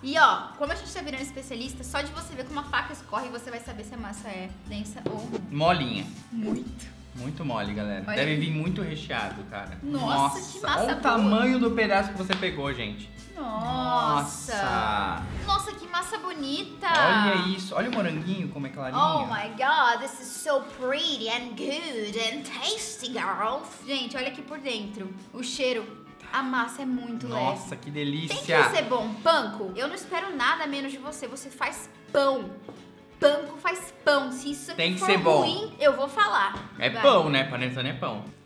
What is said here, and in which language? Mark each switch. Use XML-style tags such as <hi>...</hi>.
<pt>E, ó, como a gente tá virando especialista, só de você ver como a faca escorre, você vai saber se a massa é densa ou... Molinha. Muito. Muito mole, galera. Olha. Deve vir muito recheado, cara. Nossa, que massa. Olha o tamanho do pedaço que você pegou, gente. Nossa. Nossa, que massa bonita. Olha isso. Olha o moranguinho como é clarinho.</pt> <en>Oh my God, this is so pretty and good and tasty, girls.</en> <pt>Gente, olha aqui por dentro. O cheiro. A massa é muito leve. Nossa, que delícia. Tem que ser bom. Panko, eu não espero nada menos de você. Você faz pão. Panko faz pão. Se isso tem que for ser ruim, bom. Eu vou falar. É vai. Pão, né? Panetone é pão.</pt>